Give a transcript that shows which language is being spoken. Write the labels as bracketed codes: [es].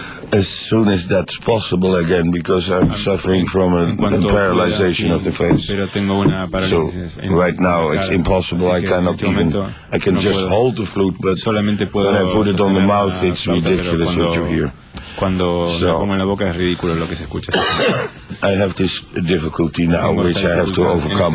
[en] As soon as that's possible again, because I'm suffering from a paralyzation of the face. [es] Pero tengo una parálisis [en] so right now it's impossible. I cannot even. I can just hold the flute, but [es] solamente puedo [en] when I put it on the mouth, it's ridiculous what you hear. [es] Cuando so, me pongo en la boca es ridículo lo que se escucha. [en] I have this difficulty now, which I have to overcome.